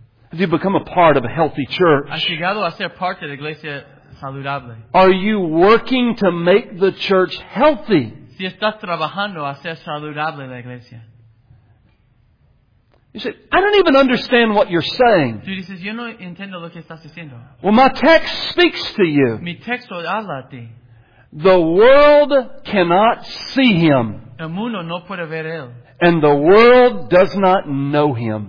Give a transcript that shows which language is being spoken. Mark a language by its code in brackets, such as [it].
[en] Have you become a part of a healthy church? [es] ¿Has llegado a ser parte de la iglesia saludable? [en] Are you working to make the church healthy? [es] Si estás trabajando a ser saludable la iglesia. [en] You say, I don't even understand what you're saying. [es] Tú dices, yo no entiendo lo que estás diciendo. [en] Well, my text speaks to you. [es] Mi texto habla a ti. [en] The world cannot see him. [es] El mundo no puede ver él. [en] And the world does not know him.